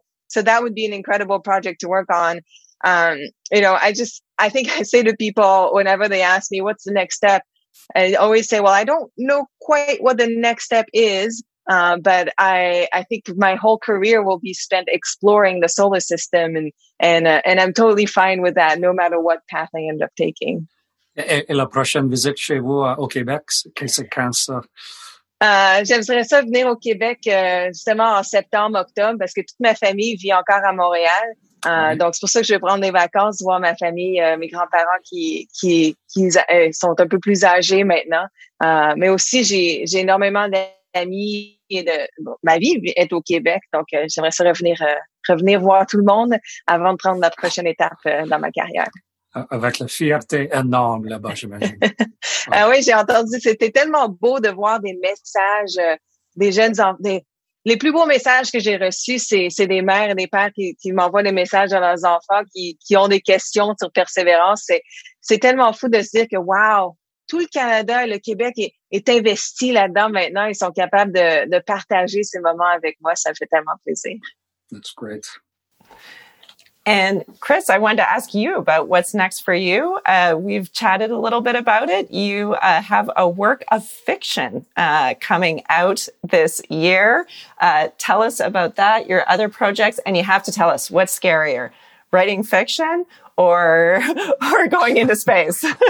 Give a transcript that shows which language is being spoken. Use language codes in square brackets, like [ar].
[en] So that would be an incredible project to work on. You know, I think I say to people whenever they ask me, what's the next step? I always say, well, I don't know quite what the next step is. But I think my whole career will be spent exploring the solar system, and I'm totally fine with that no matter what path I end up taking. [fr] Et la prochaine visite chez vous au Québec, qu'est-ce que c'est ça? J'aimerais ça venir au Québec, justement en septembre, octobre, parce que toute ma famille vit encore à Montréal. Oui. Donc, c'est pour ça que je vais prendre des vacances, voir ma famille, mes grands-parents qui sont un peu plus âgés maintenant. Mais aussi, j'ai énormément d'amis et ma vie est au Québec. Donc, j'aimerais ça revenir voir tout le monde avant de prendre la prochaine étape dans ma carrière. Avec la fierté énorme là-bas, j'imagine. Ouais. Ah oui, j'ai entendu. C'était tellement beau de voir des messages des jeunes enfants. Les plus beaux messages que j'ai reçus, c'est des mères et des pères qui m'envoient des messages à leurs enfants qui ont des questions sur persévérance. C'est tellement fou de se dire que, wow, tout le Canada et le Québec est investi là-dedans maintenant. Ils sont capables de partager ces moments avec moi. Ça me fait tellement plaisir. [en] That's great. And Chris, I wanted to ask you about what's next for you. We've chatted a little bit about it. You have a work of fiction coming out this year. Tell us about that, your other projects, and you have to tell us what's scarier, writing fiction or going into space?